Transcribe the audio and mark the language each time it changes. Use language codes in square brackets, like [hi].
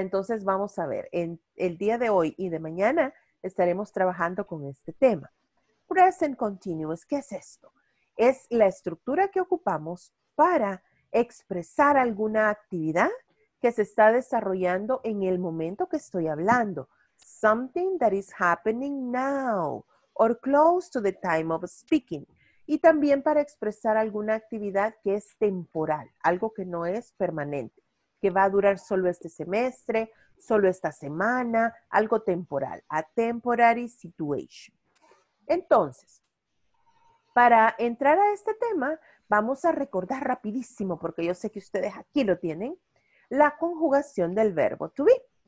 [es] Entonces vamos a ver, en el día de hoy y de mañana estaremos trabajando con este tema. Present Continuous, ¿qué es esto? Es la estructura que ocupamos para expresar alguna actividad que se está desarrollando en el momento que estoy hablando. [en] Something that is happening now or close to the time of speaking. [es] Y también para expresar alguna actividad que es temporal, algo que no es permanente, que va a durar solo este semestre, solo esta semana, algo temporal, [en] a temporary situation. [es] Entonces, para entrar a este tema, vamos a recordar rapidísimo, porque yo sé que ustedes aquí lo tienen, la conjugación del verbo to be.